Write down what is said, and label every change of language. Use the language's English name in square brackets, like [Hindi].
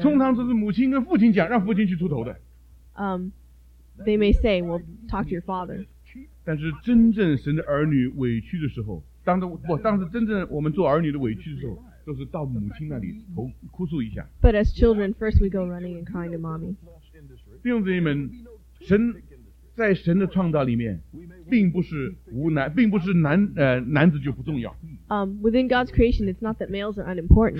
[Chinese] 通常都是母亲跟父亲讲，让父亲去出头的。 [English] They may say, "Well, talk to your father." [Chinese] 但是真正神的儿女委屈的时候，当时真正我们做儿女的委屈的时候。都是到母亲那里哭诉一下。 [English] But as children, first we go running and crying to mommy. [Chinese] 弟兄姊妹们，神在神的创造里面，并不是无男，并不是男子就不重要。 [English] Within God's creation, it's not that males are unimportant.